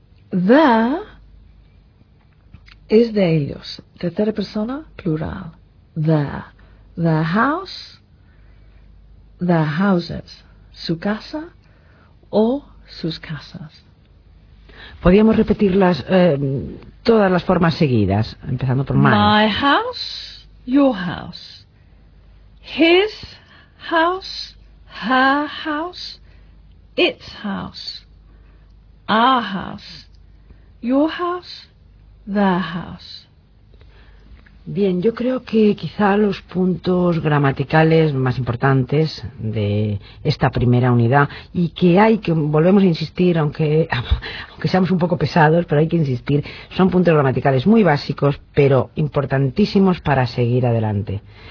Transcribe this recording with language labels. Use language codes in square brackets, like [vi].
[es] The es de ellos, tercera persona, plural. The house, the houses, su casa o sus casas. Podríamos repetirlas todas las formas seguidas, empezando por my. [en] My house, your house. His house, her house, its house, our house, your house, their house. [es] Bien, yo creo que quizá los puntos gramaticales más importantes de esta primera unidad, y que hay que, volvemos a insistir, aunque seamos un poco pesados, pero hay que insistir, son puntos gramaticales muy básicos, pero importantísimos para seguir adelante.